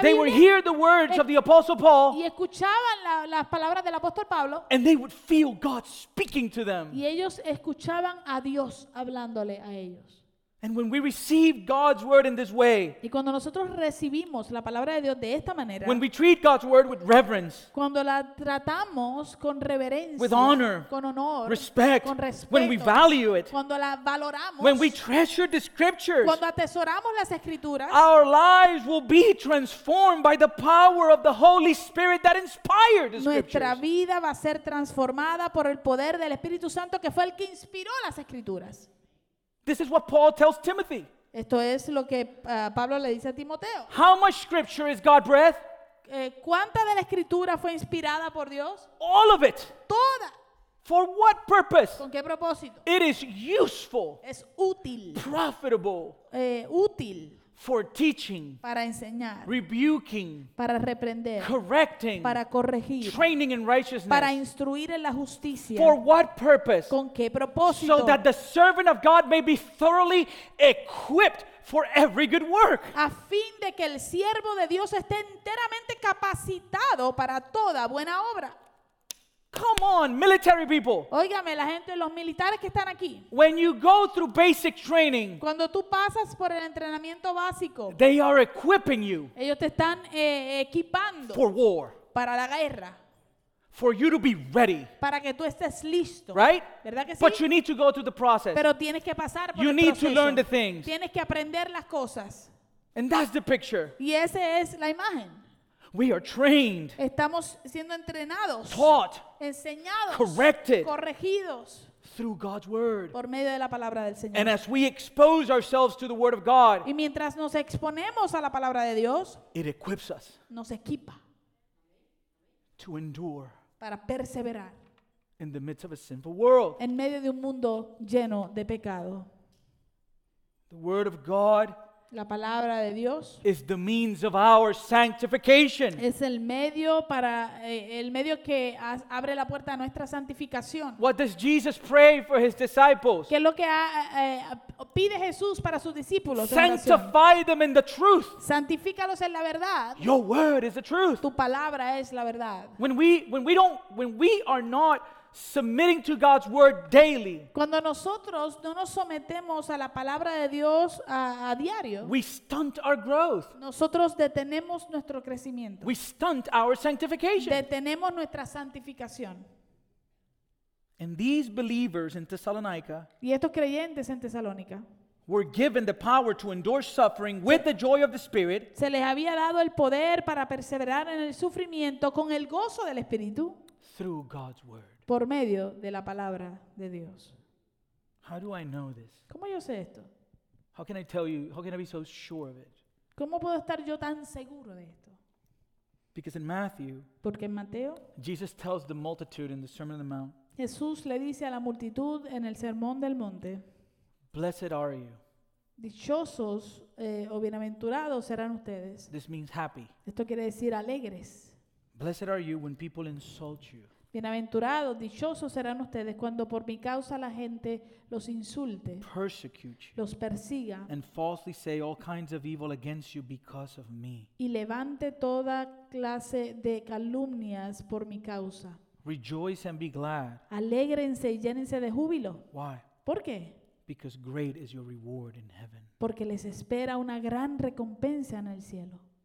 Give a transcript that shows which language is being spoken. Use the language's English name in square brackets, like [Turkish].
[English] They would hear the words of the apostle Paul. [Spanish] Y escuchaban las palabras del apóstol Pablo. [English] And they would feel God speaking to them. [Spanish] Y ellos escuchaban a Dios hablándole a ellos. [English] And when we receive God's word in this way, [Spanish] y cuando nosotros recibimos la palabra de Dios de esta manera, [English] when we treat God's word with reverence, [Spanish] cuando la tratamos con reverencia, [English] with honor, [Spanish] con honor, [English] respect, [Spanish] con respeto, [English] when we value it, [Spanish] cuando la valoramos, [English] when we treasure the scriptures, [Spanish] cuando atesoramos las escrituras, [English] our lives will be transformed by the power of the Holy Spirit that inspired the scriptures. [Spanish] Nuestra vida va a ser transformada por el poder del Espíritu Santo que fue el que inspiró las escrituras. [English] This is what Paul tells Timothy. [Spanish] Esto es lo que Pablo le dice a Timoteo. [English] How much scripture is God breath? [Spanish] ¿Cuánta de la escritura fue inspirada por Dios? [English] All of it. [Spanish] Toda. [English] For what purpose? [Spanish] ¿Con qué propósito? [English] It is useful. [Spanish] Es útil. [English] Profitable. [Spanish] Útil. [English] For teaching. [Spanish] Para enseñar. [English] Rebuking. [Spanish] Para reprender. [English] Correcting. [Spanish] Para corregir. [English] Training in righteousness. [Spanish] Para instruir en la justicia. [English] For what purpose? [Spanish] ¿Con qué propósito? [English] So that the servant of God may be thoroughly equipped for every good work. [Spanish] A fin de que el siervo de Dios esté enteramente capacitado para toda buena obra. [English] Come on, military people. [Spanish] Óigame, la gente, los militares que están aquí. [English] When you go through basic training. [Spanish] Cuando tú pasas por el entrenamiento básico. [English] They are equipping you. [Spanish] Ellos te están equipando. [English] For war. [Spanish] Para la guerra. [English] For you to be ready. [Spanish] Para que tú estés listo. [English] Right? [Spanish] ¿Verdad que sí? [English] But you need to go through the process. [Spanish] Pero tienes que pasar por el proceso. [English] You need to learn the things. [Spanish] Tienes que aprender las cosas. [English] And that's the picture. [Spanish] Y esa es la imagen. [English] We are trained. [Spanish] Estamos siendo entrenados. [English] Taught. [Spanish] Enseñados. [English] Corrected. [Spanish] Corregidos. [English] Through God's word. [Spanish] Por medio de la palabra del Señor. [English] And as we expose ourselves to the word of God. [Spanish] Y mientras nos exponemos a la palabra de Dios. [English] It equips us. [Spanish] Nos equipa. [English] To endure. [Spanish] Para perseverar. [English] In the midst of a sinful world. [Spanish] En medio de un mundo lleno de pecado. [English] The word of God. [Spanish] La palabra de Dios [English] is the means of our sanctification. [Spanish] Es el medio para el medio que abre la puerta a nuestra santificación. [English] What does Jesus pray for his disciples? [Spanish] ¿Qué es lo que pide Jesús para sus discípulos? [English] Sanctify them in the truth. [Spanish] Santifícalos en la verdad. [English] Your word is the truth. [Spanish] Tu palabra es la verdad. [English] When we are not submitting to God's word daily. [Spanish] Cuando nosotros no nos sometemos a la palabra de Dios a diario. [English] We stunt our growth. [Spanish] Nosotros detenemos nuestro crecimiento. [English] We stunt our sanctification. [Spanish] Detenemos nuestra santificación. [English] And these believers in Thessalonica. [Spanish] Y estos creyentes en Tesalónica. [English] Were given the power to endure suffering with the joy of the Spirit. [Spanish] Se les había dado el poder para perseverar en el sufrimiento con el gozo del Espíritu. [English] Through God's word. [Spanish] Por medio de la palabra de Dios. [English] How do I know this? [Spanish] ¿Cómo yo sé esto? [English] How can I tell you? How can I be so sure of it? [Spanish] ¿Cómo puedo estar yo tan seguro de esto? [English] Because in Matthew, [Spanish] porque en Mateo, [English] Jesus tells the multitude in the Sermon on the Mount. [Spanish] Jesús le dice a la multitud en el Sermón del Monte. [English] Blessed are you. [Spanish] Dichosos o bienaventurados serán ustedes. [English] This means happy. [Spanish] Esto quiere decir alegres. [English] Blessed are you when people insult you. [Spanish] Bienaventurados, dichosos serán ustedes cuando por mi causa la gente los insulte, [English] persecute you, [Spanish] los persiga, [English] and falsely say all kinds of evil against you because of me. [Spanish] Y levante toda clase de calumnias por mi causa. [English] Rejoice and be glad. [Spanish] Alégrense y llénense de júbilo. [English] Why? [Spanish] ¿Por qué? [English] Because great is your reward in heaven. [Spanish] Porque les espera una gran recompensa en el cielo.